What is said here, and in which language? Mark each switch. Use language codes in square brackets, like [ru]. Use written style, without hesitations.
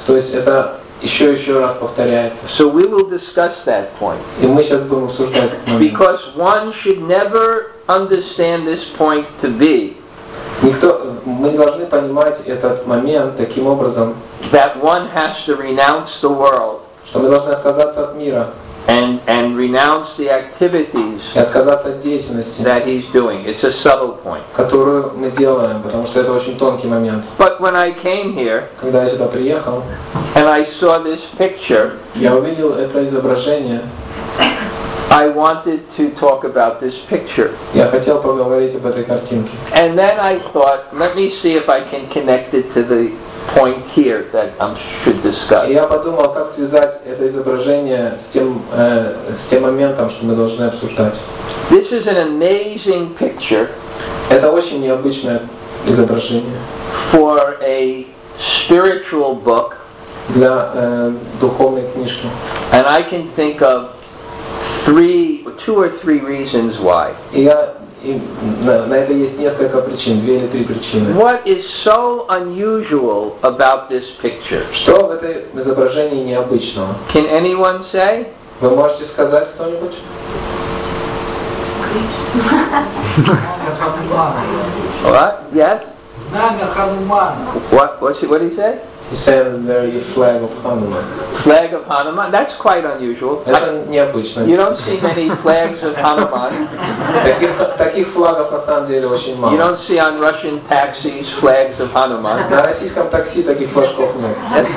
[ru] То есть это еще раз повторяется. [en] So we will discuss that point. [ru] И мы сейчас будем обсуждать этот момент. [en] Because one should never understand this point to be. [ru] Никто, мы должны понимать этот момент таким образом. [en] That one has to renounce the world. [ru] Что мы должны отказаться от мира. [en] And renounce the activities. [ru] И отказаться от деятельности. [en] That he's doing. It's a subtle point. [ru] Которую мы делаем, потому что это очень тонкий момент. [en] But when I came here, [ru] когда я сюда приехал, [en] and I saw this picture, [ru] я увидел это изображение [en] I wanted to talk about this picture. [ru] Я хотел поговорить об этой картинке. [en] And then I thought, let me see if I can connect it to the point here that I should discuss. [ru] Я подумал, как связать это изображение с тем моментом, что мы должны обсуждать. [en] This is an amazing picture. [ru] Это очень необычное изображение. [en] For a spiritual book. [ru] Для духовной книжки. [en] And I can think of two or three reasons why. [ru] На это есть несколько причин, две или три причины. [en] What is so unusual about this picture? [ru] Что в этом изображении необычного? [en] Can anyone say? [ru] Вы можете сказать кто-нибудь? [en] What? Yes? [ru] Знамя Хануман. [en] What did he say? He said there is a flag of Hanuman. Flag of Hanuman? That's quite unusual. [ru] Необычно. [en] You don't see many flags of Hanuman. [ru] Таких флагов на самом деле очень мало. [en] You don't see on Russian taxis flags of Hanuman. [ru] На российском такси таких флажков нет.